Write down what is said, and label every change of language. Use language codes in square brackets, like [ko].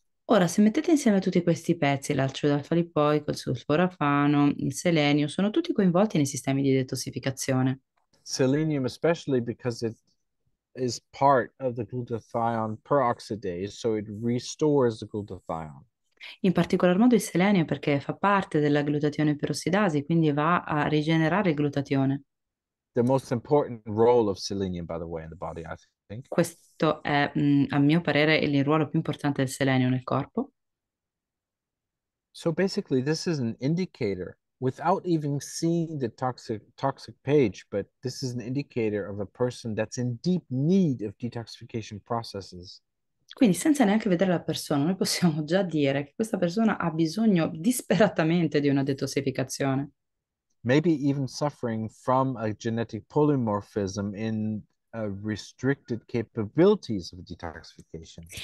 [it] Ora, se mettete insieme tutti questi pezzi, l'acido alfa lipoico, il sulforafano, il selenio, sono tutti coinvolti nei sistemi di detossificazione. [en] Selenium, especially because it is part of the glutathione peroxidase, so it restores the glutathione. [it] In particolar modo il selenio perché fa parte della glutatione perossidasi, quindi va a rigenerare il glutatione. [en] The most important role of selenium, by the way, in the body, I think. [it] Questo è, a mio parere, il ruolo più importante del selenio nel corpo. [en] So basically, this is an indicator without even seeing the toxic page, but this is an indicator of a person that's in deep need of detoxification processes. [it] Quindi senza neanche vedere la persona, noi possiamo già dire che questa persona ha bisogno disperatamente di una detossificazione. [en] Maybe even suffering from a genetic polymorphism in restricted capabilities of detoxification.